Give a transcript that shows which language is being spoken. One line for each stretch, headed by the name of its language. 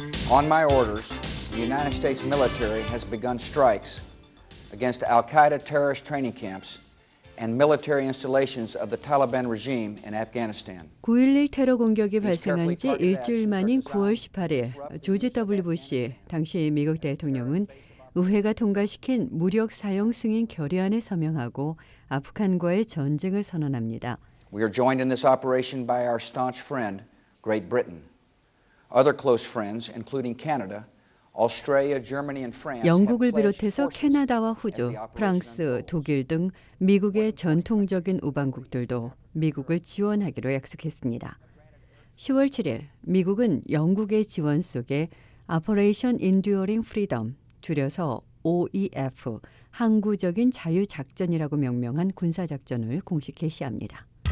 English: On my orders, the United States military has begun strikes against al-Qaeda terrorist training camps and military installations of the Taliban regime in Afghanistan.
Korean: 9.11 테러 공격이 발생한 지 일주일 만인 9월 18일, 조지 W. 부시 당시 미국 대통령은 의회가 통과시킨 무력 사용 승인 결의안에 서명하고 아프간과의 전쟁을 선언합니다.
English: We are joined in this operation by our staunch friend, Great Britain. Other close friends, including Canada, Australia, Germany, and France.
Korean: 영국을 비롯해서 캐나다와 호주, 프랑스, 독일 등 미국의 전통적인 우방국들도 미국을 지원하기로 약속했습니다. 10월 7일 미국은 영국의 지원 속에 Operation Enduring Freedom, 줄여서 OEF, 항구적인 자유 작전이라고 명명한 군사 작전을 공식 개시합니다.